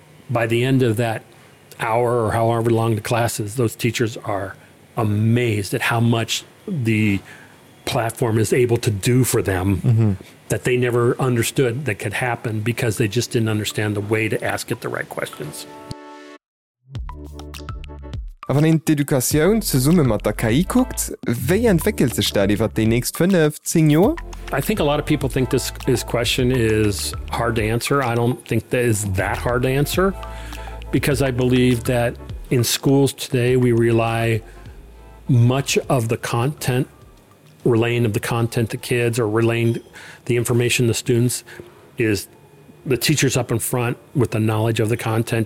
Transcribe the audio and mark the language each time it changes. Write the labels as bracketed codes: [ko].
[en] By the end of that hour or however long the class is, those teachers are amazed at how much the platform is able to do for them that they never understood that could happen because they just didn't understand the way to ask it the right questions. [de] Wenn man in die Education zusammen mit der KI guckt, wie entwickelt sich das über die nächsten 15 Jahre? [en] I think a lot of people think this question is hard to answer. I don't think that is that hard to answer, because I believe that in schools today we rely much of the content, relaying of the content to kids or relaying the information to students, is the teachers up in front with the knowledge of the content.